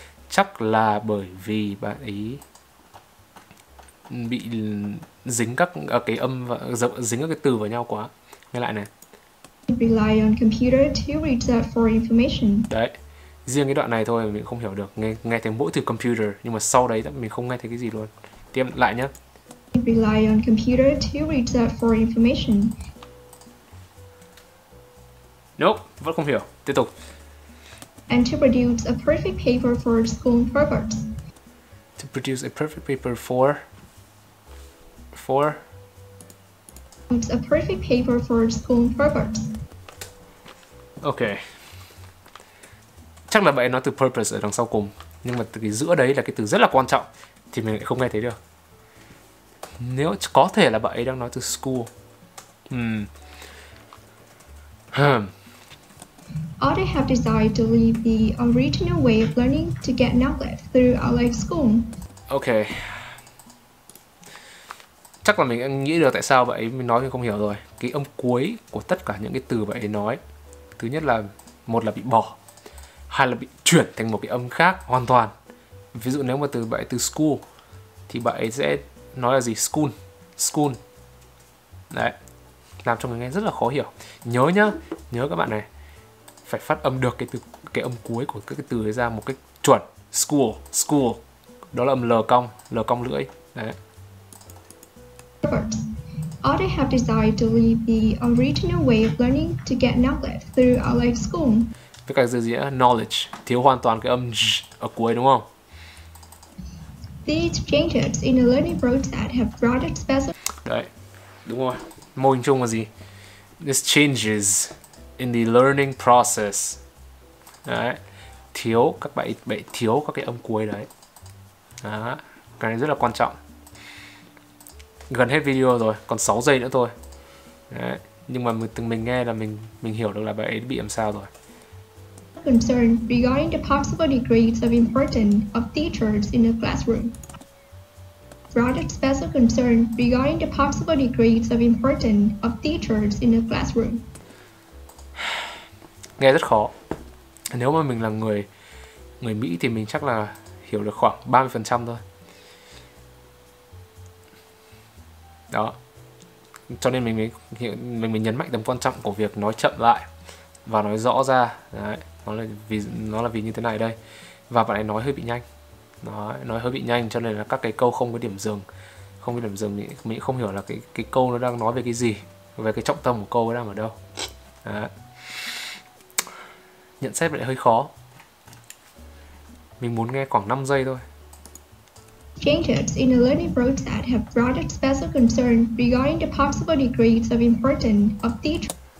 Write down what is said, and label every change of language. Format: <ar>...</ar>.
<vi>Chắc là bởi vì bạn ấy bị dính các cái âm và dính các cái từ vào nhau quá. Nghe lại này.</vi> <en>Rely on computer to reach out for information.</en> <vi>Đấy. Riêng cái đoạn này thôi mình không hiểu được, nghe thấy mỗi từ computer nhưng mà sau đấy mình không nghe thấy cái gì luôn. Tiếp lại nhá.</vi> <en>Rely on computer to reach out for information.</en> <vi>Nope, vẫn không hiểu. Tiếp tục.</vi> <en>And to produce a perfect paper for school purpose. To produce a perfect paper for. It's a perfect paper for school purpose. Okay.</en> <vi>Chắc là bạn nói từ purpose ở đằng sau cùng, nhưng mà từ cái giữa đấy là cái từ rất là quan trọng, thì mình lại không nghe thấy được. Nếu có thể là bạn ấy đang nói từ school.</vi> <en>All they have decided to leave the original way of learning to get knowledge through online school. Okay.</en> <vi>Chắc là mình nghĩ được tại sao vậy, mình nói mình không hiểu rồi. Cái âm cuối của tất cả những cái từ vậy nói, thứ nhất là một là bị bỏ, hay là bị chuyển thành một cái âm khác hoàn toàn. Ví dụ nếu mà từ bạn ấy từ school thì bạn ấy sẽ nói là gì?</vi> <en>School. School.</en> <vi>Đấy. Làm cho người nghe rất là khó hiểu. Nhớ nhá, nhớ các bạn này, phải phát âm được cái từ, cái âm cuối của cái từ ấy ra một cách chuẩn.</vi> <en>School, school.</en> <vi>Đó là âm L cong lưỡi. Đấy.</vi> <en>All they have desired to leave the original way of learning to get knowledge through our life school.</en> <vi>Tất cả gì nhá? Knowledge, thiếu hoàn toàn cái âm j ở cuối đúng không?</vi> <en>These changes in the learning process have brought it special.</en> <vi>Đấy. Đúng rồi. Mô hình chung là gì?</vi> <en>These changes in the learning process.</en> <vi>Đấy. Thiếu, các bạn bị thiếu các cái âm cuối đấy. Đó. Cái này rất là quan trọng. Gần hết video rồi, còn 6 giây nữa thôi. Đấy. Nhưng mà mình nghe là mình hiểu được là bạn ấy bị làm sao rồi.</vi> <en>Concern regarding the possible degrees of importance of teachers in the classroom. Brought a special concern regarding the possible degrees of importance of teachers in the classroom.</en> <vi>Nghe rất khó. Nếu mà mình là người Mỹ thì mình chắc là hiểu được khoảng 30% thôi. Đó. Cho nên mình nhấn mạnh tầm quan trọng của việc nói chậm lại và nói rõ ra. Đấy. Nó là vì như thế này đây. Và bạn ấy nói hơi bị nhanh. Nói hơi bị nhanh cho nên là các cái câu không có điểm dừng. Không có điểm dừng, mình không hiểu là cái câu nó đang nói về cái gì, về cái trọng tâm của câu nó đang ở đâu. Đấy. Nhận xét lại hơi khó. Mình muốn nghe khoảng 5 giây thôi.</vi> <en>Changes in the learning process have brought a special concern regarding the possible degrees of importance of teacher.</en>